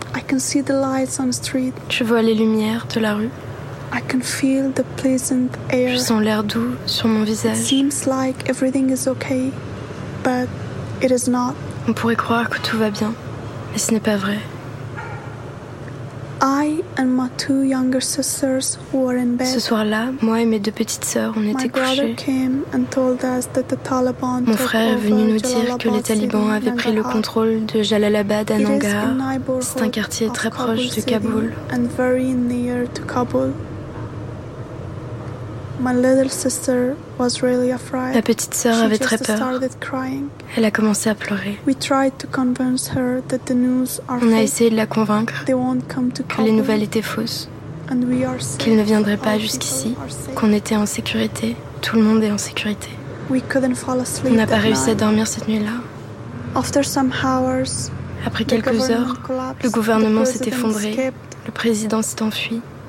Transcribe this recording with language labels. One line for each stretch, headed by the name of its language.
English: I can see the lights on the street.
French: Je vois les lumières de la rue.
English: I can feel the pleasant air.
French: Je sens l'air doux sur mon visage.
English: It seems like everything is okay, but it is not.
French: On pourrait croire que tout va bien, mais ce n'est pas vrai.
English: I and my two younger sisters were in bed.
French: Ce soir-là, moi et mes deux petites sœurs, on était couchés. Mon frère est venu nous dire que les talibans avaient pris le contrôle de Jalalabad à Nangarh. C'est un quartier très proche de Kaboul.
English: And very near to Kabul. My little sister was really afraid.
French: La petite sœur avait très peur.
English: Started crying.
French: Elle a commencé à pleurer.
English: We tried to convince her that the news are
French: On a essayé de la convaincre
English: they won't come to
French: que les nouvelles étaient fausses,
English: and we are safe.
French: Qu'ils ne viendraient pas jusqu'ici, qu'on était en sécurité. Tout le monde est en sécurité.
English: We couldn't fall asleep.
French: On n'a pas réussi à dormir cette nuit-là.
English: After some hours,
French: après quelques heures, le gouvernement s'est effondré. Le président s'est enfui.